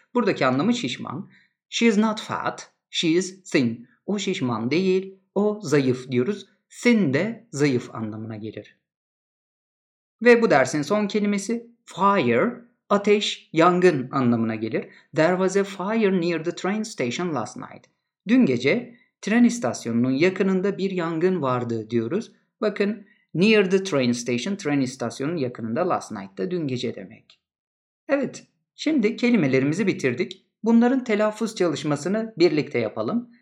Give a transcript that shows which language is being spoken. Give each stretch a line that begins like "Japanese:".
Turkish: Buradaki anlamı şişman.
English: She is not fat, she is thin.
Turkish: O şişman değil, o zayıf diyoruz. Thin de zayıf anlamına gelir. Ve bu dersin son kelimesi fire, ateş, yangın anlamına gelir.
English: There was a fire near the train station last night.
Turkish: Dün gece tren istasyonunun yakınında bir yangın vardı diyoruz. Bakın
English: near the train station,
Turkish: tren istasyonunun yakınında
English: last night
Turkish: da dün gece demek. Evet, şimdi kelimelerimizi bitirdik. Bunların telaffuz çalışmasını birlikte yapalım.